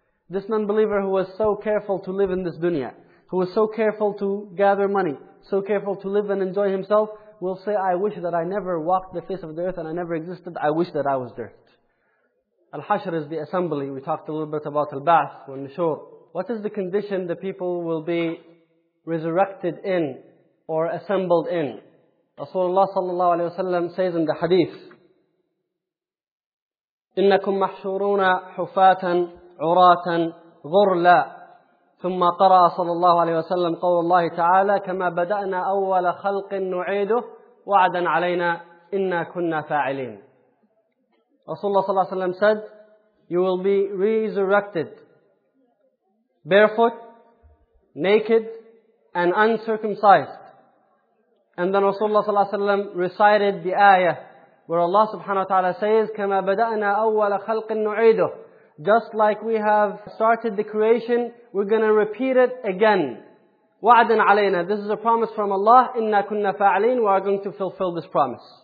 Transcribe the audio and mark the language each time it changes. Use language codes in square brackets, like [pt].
[en] This non-believer who was so careful to live in this dunya, who was so careful to gather money, so careful to live and enjoy himself, will say, I wish that I never walked the face of the earth and I never existed. I wish that I was dirt. Al-Hashr is the assembly. We talked a little bit about Al-Ba'ath or Nushur. What is the condition the people will be resurrected in? Or assembled in. [ar] Rasulullah sallallahu alayhi wa sallam says in the hadith, إِنَّكُمْ مَحْشُورُونَ حُفَاتًا عُرَاتًا غُرْلًا ثُمَّ قَرَأَ صَلَّى اللَّهُ عَلَيْهِ وَسَلَّمْ قَوْلَ اللَّهِ تَعَالَى كَمَا بَدَأْنَا أَوَّلَ خَلْقٍ نُعِيدُهُ وَعَدًا عَلَيْنَا إِنَّا كُنَّا فَاعِلِينَ Rasulullah sallallahu alayhi wa sallam [en] said, you will be resurrected barefoot, naked, and uncircumcised. And then Rasulullah sallallahu alaihi wasallam recited the ayah where Allah subhanahu wa ta'ala says, [ar] كَمَا بَدَأْنَا أَوَّلَ خَلْقٍ نُعِيدُهُ [en] Just like we have started the creation, we're going to repeat it again. [ar] وَعَدًا عَلَيْنَا [en] This is a promise from Allah. [ar] إِنَّا كُنَّا فَاعْلِينَ [en] We are going to fulfill this promise.